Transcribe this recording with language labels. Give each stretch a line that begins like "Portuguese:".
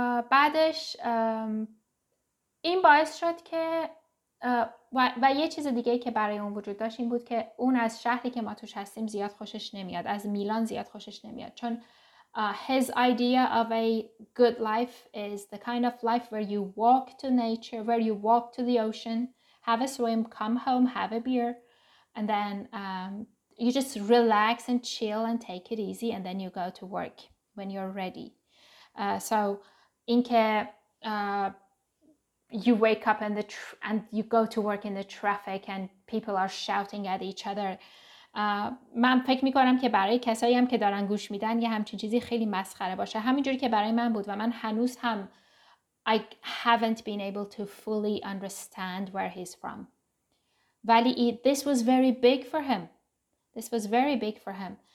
Persian: بعدش این باعث شد که و یه چیز دیگه که برای اون وجود داشت این بود که اون از شهری که ما توش هستیم زیاد خوشش نمیاد. از میلان زیاد خوشش نمیاد. چون
English: his idea of a good life is the kind of life where you walk to nature, where you walk to the ocean, have a swim, come home, have a beer. and then you just relax and chill and take it easy, and then you go to work when you're ready. So in care, you wake up and and you go to work in the traffic and people are shouting at each other.
Persian: من فکر میکنم که برای کسایی هم که دارن گوش میدن یه همچین چیزی خیلی مسخره باشه. همینجوری که برای من بود و من هنوز هم
English: I haven't been able to fully understand where he's from.
Persian: ولی
English: this was very big for him. This was very big for him.